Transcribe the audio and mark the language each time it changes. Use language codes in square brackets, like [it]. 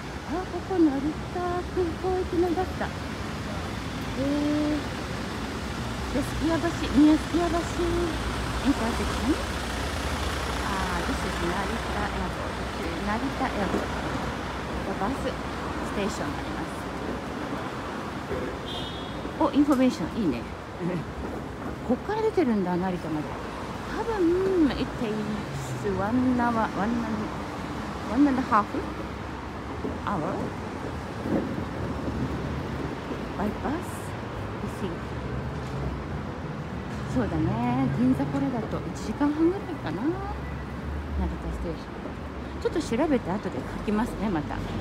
[ja] あ、ここ成田空港行きのバスだ。で、スキヤ橋、ニュースキヤ橋インターセクション。あー、 [en] This is [ja] 成田エアポート。成田エアポート。バスステーションになります。お、インフォメーション、いいね。こっから出てるんだ、成田まで。多分、 [en] It takes one and a half hour by bus. [ja] そうだね、銀座これだと1時間半ぐらいかな、成田ステーション。ちょっと調べて後で書きますね、また。